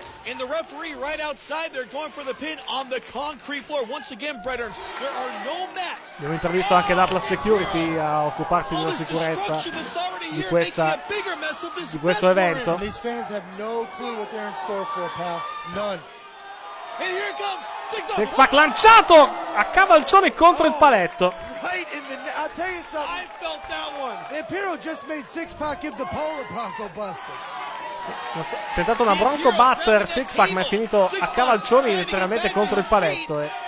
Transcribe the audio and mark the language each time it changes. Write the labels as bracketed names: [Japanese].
[English] And the referee right outside, they're going for the pin on the concrete floor. Once again, Brethren, there are no mats. [Italian] Abbiamo intervisto anche l'Atlas Security a occuparsi della sicurezza di questo evento. [English] These fans have no clue what they're in store for, pal. None. And here comes [Italian] Six Pack lanciato a cavalcione contro il paletto. [English] Right in the I'll tell you something. I felt that one. Imperial just made Six Pack give the pole a Bronco Buster. [Italian] Ho tentato una Bronco Buster Six Pack, ma è finito a cavalcioni letteralmente contro il paletto.